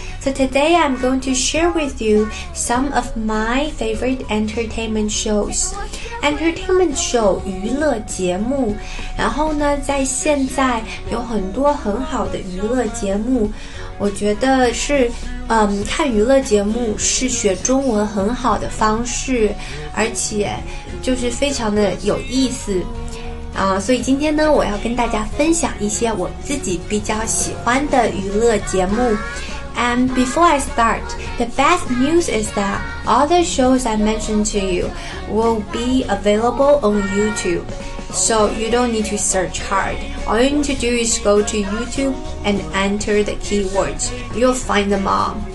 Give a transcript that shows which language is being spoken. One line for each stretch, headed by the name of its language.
English: So today I'm going to share with you some of my favorite entertainment shows.
Chinese: Entertainment show 娱乐节目，然后呢，在现在有很多很好的娱乐节目，我觉得是，看娱乐节目是学中文很好的方式，而且就是非常的有意思，所以今天呢，我要跟大家分享一些我自己比较喜欢的娱乐节目。
English: And before I start, the best news is that all the shows I mentioned to you will be available on YouTube. So you don't need to search hard. All you need to do is go to YouTube and enter the keywords. You'll find them all.